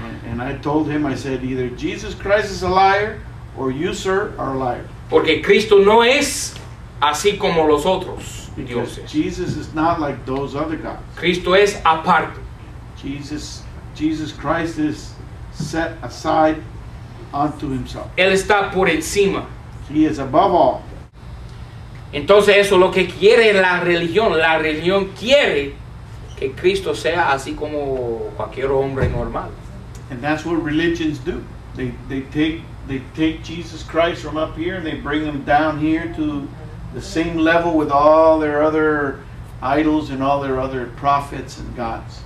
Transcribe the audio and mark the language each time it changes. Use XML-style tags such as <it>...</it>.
<en>And I told him, I said, either Jesus Christ is a liar or you, sir, are a liar.</en> <es>Porque Cristo no es así como los otros dioses.</es> <en>Because Jesus is not like those other gods.</en> <es>Cristo es aparte.</es> <en>Jesus Christ is set aside unto himself.</en> <es>Él está por encima.</es> <en>He is above all.</en> <es>Entonces eso es lo que quiere la religión. La religión quiere que Cristo sea así como cualquier hombre normal.</es> <en>And that's what religions do. They take Jesus Christ from up here and they bring him down here to the same level with all their other idols and all their other prophets and gods.</en>